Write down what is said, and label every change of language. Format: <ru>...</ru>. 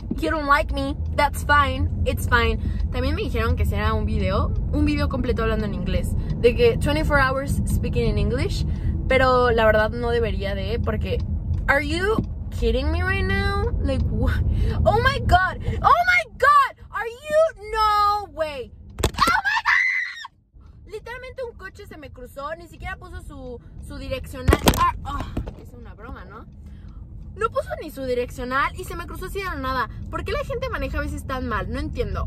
<en>You don't like me, that's fine, it's fine.</en> <es>También me dijeron que si era un video completo hablando en inglés, de que</es> <en>24 hours speaking in English,</en> <es>pero la verdad no debería de, porque,</es> <en>are you kidding me right now? Like, what? Oh my god, are you, no way, oh my god!</en> <es>Literalmente un coche se me cruzó, ni siquiera puso su direccional, es una broma, ¿no? No puso ni su direccional y se me cruzó así de la nada. ¿Por qué la gente maneja a veces tan mal? No entiendo.</es>